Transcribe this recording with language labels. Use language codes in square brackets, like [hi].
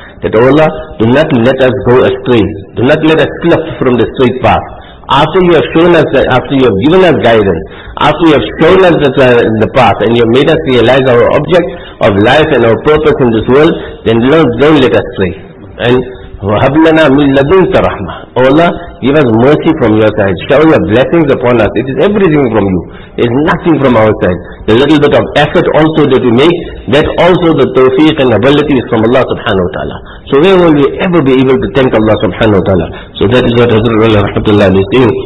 [en] That, oh Allah, do not let us go astray. Do not let us slip from the straight path. After you have shown us, after you have given us guidance, after you have shown us the path, and you have made us realize our object of life and our purpose in this world, then don't let us stray. [ar] And وَهَبْ لَنَا مِنْ لَدُنْكَ رَحْمَةً. [en] Oh Allah, give us mercy from your side. Shower your blessings upon us. It is everything from you. It is nothing from our side. The little bit of effort also that we make, that also the tawfiq and ability is from Allah subhanahu wa ta'ala. So where will we ever be able to thank Allah subhanahu wa ta'ala? So that is what Hazrat Allah rahmatullah is saying.